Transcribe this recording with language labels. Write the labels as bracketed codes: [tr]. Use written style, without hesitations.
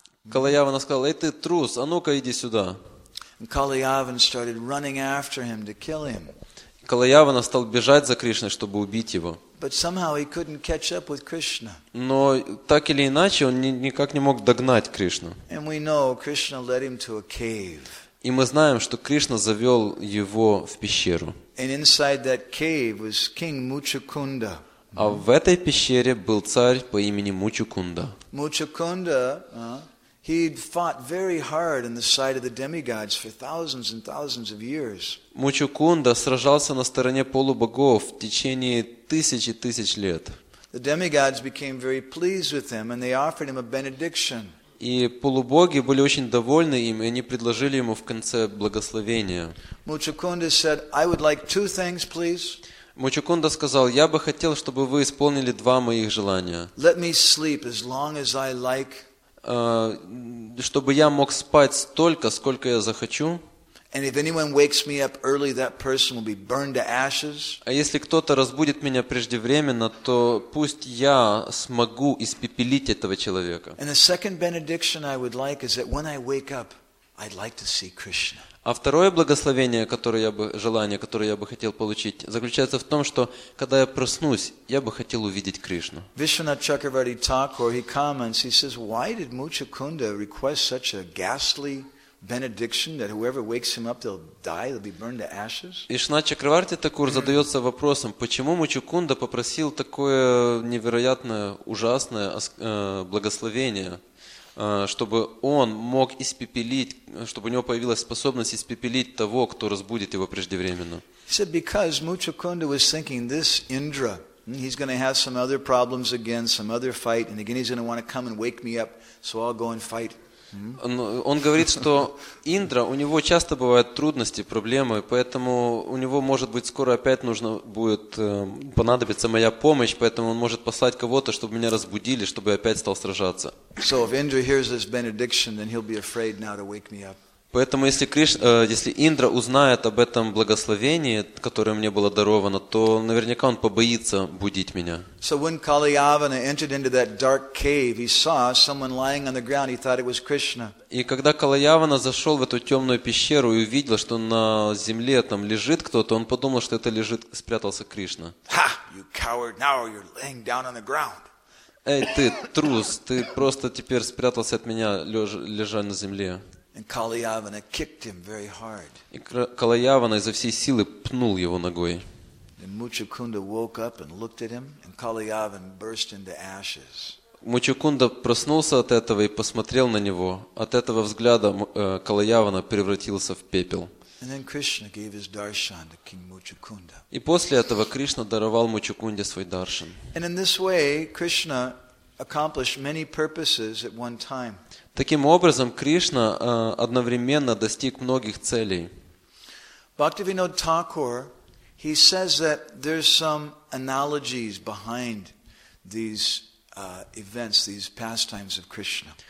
[ru] Калаявана сказал, «Эй, ты трус, а ну-ка иди сюда». Калаявана стал бежать за Кришной, чтобы убить его. [en] But somehow he couldn't catch up with Krishna. [ru] Но так или иначе он никак не мог догнать Кришну. [en] And we know Krishna led him to a cave. [ru] И мы знаем, что Кришна завел его в пещеру. [en] And inside that cave was King Muchukunda. [ru] А в этой пещере был царь по имени Мучукунда. [en] Muchukunda He'd fought very hard in the sight of the demigods for thousands and thousands of years. [ru] Мучукунда сражался на стороне полубогов в течение тысяч и тысяч лет. [en] The demigods became very pleased with him, and they offered him a benediction. [ru] И полубоги были очень довольны им, и они предложили ему в конце благословение. [en] Мучукунда said, "I would like two things, please." [ru] Мучукунда сказал: "Я бы хотел, чтобы вы исполнили два моих желания." [en] Let me sleep as long as I like. [ru] Чтобы я мог спать столько, сколько я захочу. [en] And if anyone wakes me up early, that person will be burned to ashes. [ru] А если кто-то разбудит меня преждевременно, то пусть я смогу испепелить этого человека. [en] And the second benediction I would like is that when I wake up, I'd like to see Krishna. [ru] А второе благословение, которое я бы желание, которое я бы хотел получить, заключается в том, что когда я проснусь, я бы хотел увидеть Кришну. [en] Vishwanath Chakravarti Thakur, he comments, he says, why did Muchakunda request such a ghastly benediction that whoever wakes him up, they'll die, they'll be burned to ashes? [ru] Vishwanath Chakravarti Thakur задается вопросом, почему Мучукунда попросил такое невероятное, ужасное благословение? Чтобы он мог испепелить, чтобы у него появилась способность испепелить того, кто разбудит его преждевременно. [en] He said, because Muchukunda was thinking this Indra, he's going to have some other problems again, some other fight, and again he's going to want to come and wake me up, so I'll go and fight. [ru] Он говорит, что Индра, у него часто бывают трудности, проблемы, поэтому у него, может быть, скоро опять нужно будет понадобиться моя помощь, поэтому он может послать кого-то, чтобы меня разбудили, чтобы я опять стал сражаться. [en] So if Indra hears this benediction, then he'll be afraid now to wake me up. [ru] Поэтому если если Индра узнает об этом благословении, которое мне было даровано, то наверняка он побоится будить меня. [en] So when Kaliyavana entered into that dark cave, he saw someone lying on the ground, he thought it was Krishna. [ru] И когда Калаявана зашел в эту темную пещеру и увидел, что на земле там лежит кто-то, он подумал, что это лежит, спрятался Кришна. Ha! [en] You coward, now you're laying down on the ground. [ru] Эй, ты трус, ты просто теперь спрятался от меня, лежа на земле. [en] And Kaliyavana kicked him very hard. [ru] И Калаявана изо всей силы пнул его ногой. [en] And Muchukunda woke up and looked at him, and Kaliyavana burst into ashes. [ru] Мучукунда проснулся от этого и посмотрел на него. От этого взгляда Калаявана превратился в пепел. [en] And then Krishna gave his darshan to King Muchukunda. [ru] И после этого Кришна даровал Мучукунде свой даршан. [en] And in this way, Krishna accomplished many purposes at one time. [ru] Таким образом, Кришна одновременно достиг многих целей. [en] Bhaktivinoda Thakur, he says that there's some analogies behind these events, these pastimes of Krishna.